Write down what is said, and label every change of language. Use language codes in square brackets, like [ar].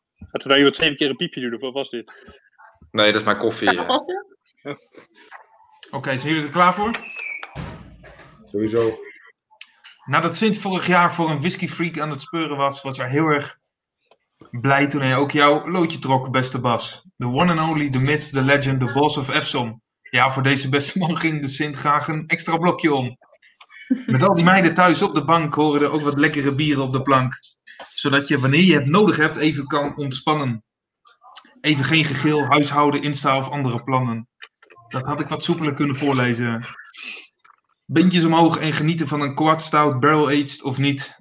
[nl] Hadden wij iemand 7 keer een piepje doen of wat was dit? Nee, dat is mijn koffie. Ja. Was dit? Ja. Oké, zijn jullie er klaar voor? Sowieso. Nadat Sint vorig jaar voor een whiskyfreak aan het speuren was, was hij heel erg... blij toen hij ook jouw loodje trok, beste Bas. [en] The one and only, the myth, the legend, the boss of Epsom. [nl] Ja, voor deze beste man ging de Sint graag een extra blokje om. Met al die meiden thuis op de bank horen er ook wat lekkere bieren op de plank. Zodat je wanneer je het nodig hebt even kan ontspannen. Even geen gegil, huishouden, insta of andere plannen. Dat had ik wat soepeler kunnen voorlezen. Beentjes omhoog en genieten van een quad stout, barrel aged of niet.